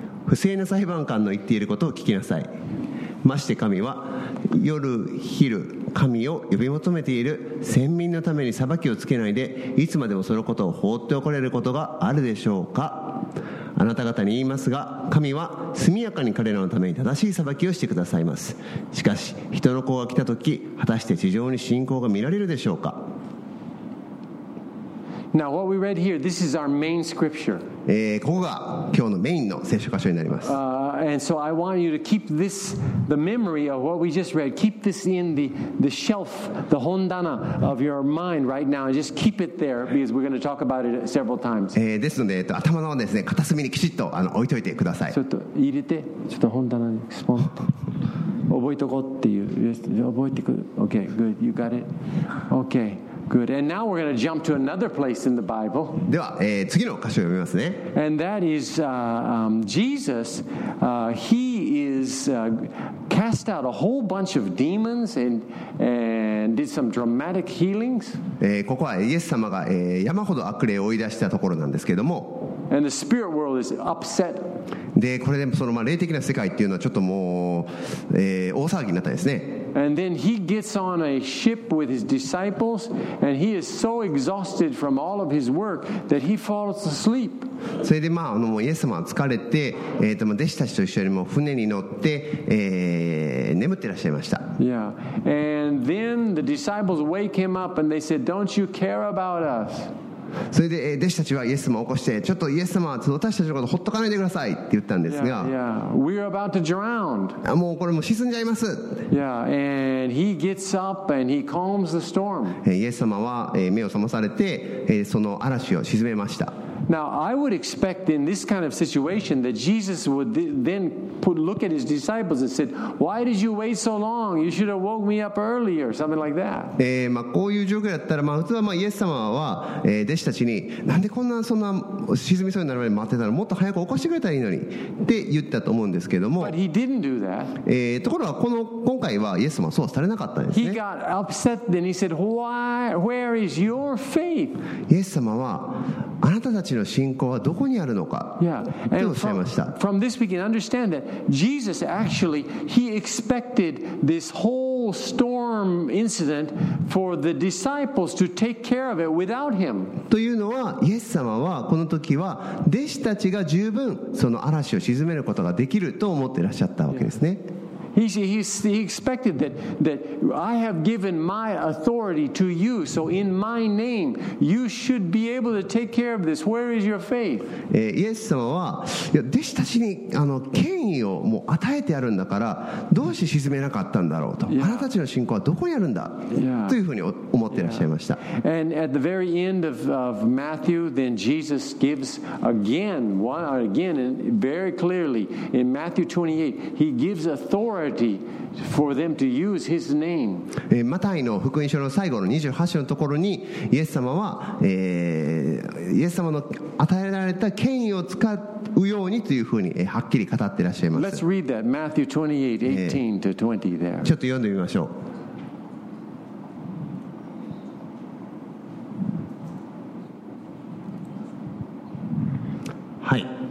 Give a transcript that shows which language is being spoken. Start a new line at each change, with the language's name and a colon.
Japanese: 不正な裁判官の言っていることを聞きなさい。まして神は夜昼神を呼び求めている先民のために裁きをつけないで、いつまでもそのことを放っておかれることがあるでしょうか。あなた方に言いますが、神は速やかに彼らのために正しい裁きをしてくださいます。しかし人の子が来た時、果たして地上に信仰が見られるでしょうか。
English: Now what we read here, this is our main scripture.
Japanese: ここが今日のメインの聖書箇所になります。
English: And so I want you to keep this, the memory of what we just read, keep this in the shelf, the hondana of your mind right now, and just keep it there, because we're going to talk about it several times.
Japanese: ですので、頭のですね、片隅にきちっと置いといてください。ちょっと入れて、ちょっと本棚にスポンと。覚えとこうっていう。覚えてく。
English: Okay, good. You got it? Okay. Good. And now we're going to jump to another place in the Bible.
Japanese: では、次の箇所を読みますね。
English: And that is Jesus. He is cast out a whole bunch of demons and did some dramatic healings.
Japanese: ここはイエス様が、山ほど悪霊を追い出したところなんですけれども。
English: And the spirit world is upset.
Japanese: で、これでその霊的な世界っていうのはちょっともう、大騒ぎになったですね。
English: And then he gets on a ship with his disciples, and he is so exhausted from all of his work that he falls asleep.
Japanese: それでまあもうイエス様は疲れて、弟子たちと一緒にもう船に乗って、眠眠ってらっしゃいました。
English: Yeah. And then the disciples wake him up and they said, "Don't you care about us?"
Japanese: それで弟子たちはイエス様を起こして、ちょっとイエス様、私たちのことほっとかないでくださいって言ったんですが、
English: yeah, yeah. We're about to drown.
Japanese: もうこれもう沈んじゃいます。
English: Yeah. And he gets up and he calms the storm.
Japanese: イエス様は目を覚まされて、その嵐を沈めました。
English: Now, I would expect in this kind of situation that Jesus would then look at his disciples and said, "Why did you wait so long? You should have woke me up earlier," something like that.
Japanese: まあ、こういう状況だったら、まあ、普通は、まあ、イエス様は、弟子たちに、なんでこんな、そんな沈みそうになるまで待ってたの？もっと早く起こしてくれたらいいのにって言ったと思うんですけども。
English: But he didn't do that.
Japanese: ところが、この、今回はイエス様はそうはされなかったんですね。
English: He got upset and he said, "Why? Where is your faith?"
Japanese: イエス様は、あなたたちの信仰はどこにあるのかっておっしゃいました。
English: From this we can understand that Jesus actually he expected this whole storm incident for the disciples to take care of it without him.
Japanese: というのは、イエス様はこの時は弟子たちが十分その嵐を鎮めることができると思っていらっしゃったわけですね。
English: He expected that I have given my authority to you, so in my name you should be able to take care of this. Where is your faith?
Japanese: イエス様は弟子たちに権威をもう与えてあるんだから、どうして沈めなかったんだろうと、あなたたちの信仰はどこにあるんだというふうに思っていらっしゃいました。
English: And at the very end of Matthew, then Jesus gives again and very clearly in Matthew 28, he gives authority for them to use his name.
Japanese: マタイの福音書の最後の28章のところに、イエス様は、イエス様の与えられた権威を使うようにというふうに、はっきり語っていらっしゃいます。
English: Let's read that. Matthew 28, 18-20 there.
Japanese: ちょっと読んでみましょう。はい。